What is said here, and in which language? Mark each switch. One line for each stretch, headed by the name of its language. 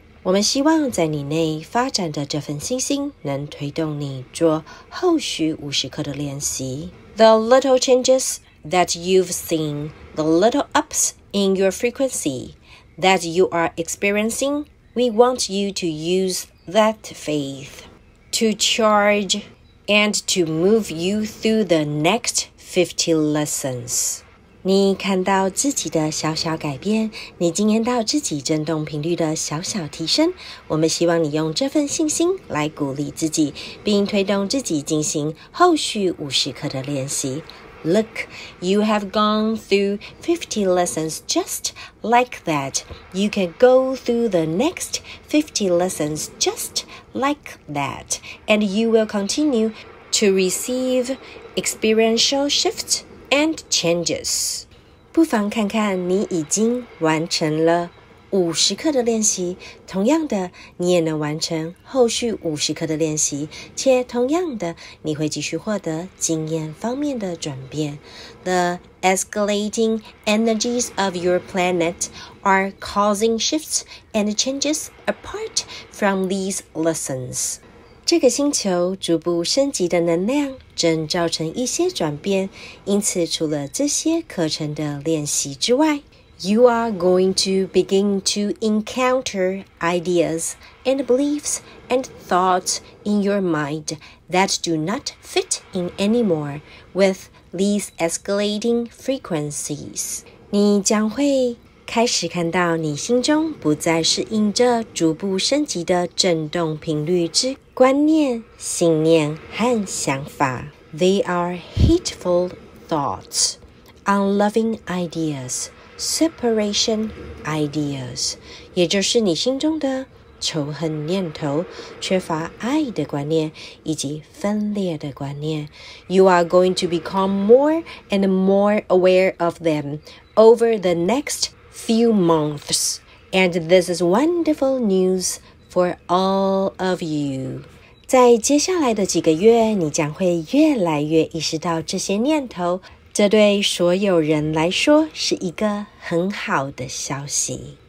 Chinese: 我们希望在你内发展的这份信心能推动你做后续50课的练习。
English: The little changes that you've seen, the little ups in your frequency that you are experiencing, we want you to use that faith to charge and to move you through the next 50 lessons.
Chinese: 你看到自己的小小改变，你惊艳到自己振动频率的小小提升，我们希望你用这份信心来鼓励自己，并推动自己进行后续50课的练习。
English: Look, you have gone through 50 lessons just like that. You can go through the next 50 lessons just like that. And you will continue to receive experiential shifts. And changes.
Chinese: 不妨看看你已经完成了50课的练习，同样的你也能完成后续50课的练习，且同样的你会继续获得经验方面的转变。
English: The escalating energies of your planet are causing shifts and changes apart from these lessons.
Chinese: 这个星球逐步升级的能量正造成一些转变，因此除了这些课程的练习之外，
English: You are going to begin to encounter ideas and beliefs and thoughts in your mind that do not fit in anymore with these escalating frequencies.
Chinese: 你将会开始看到你心中不再适应这逐步升级的振动频率之观念、信念和想法。
English: They are hateful thoughts, unloving ideas, separation ideas，
Chinese: 也就是你心中的仇恨念头、缺乏爱的观念以及分裂的观念。
English: You are going to become more and more aware of them over the next few months. And this is wonderful news for all of you.
Chinese: 在接下来的几个月，你将会越来越意识到这些念头，这对所有人来说是一个很好的消息。